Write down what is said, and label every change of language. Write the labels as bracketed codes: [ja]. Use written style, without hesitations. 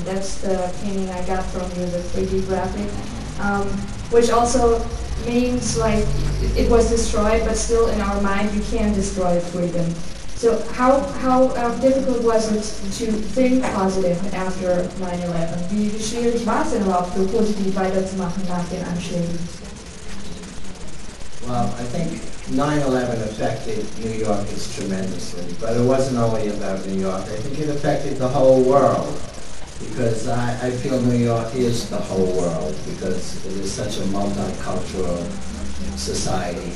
[en] That's the painting I got from you, the 3D graphic. Which also means like it was destroyed, but still in our mind you can destroy freedom. So how difficult was it to think positive after 9/11? [de] Wie schwierig war es denn überhaupt, so positiv weiterzumachen nach den Anschlägen? [en] Well, I think 9/11 affected New Yorkers tremendously, but it wasn't only about New York. I think it affected the whole world. Because I feel New York is the whole world, because it is such a multicultural society.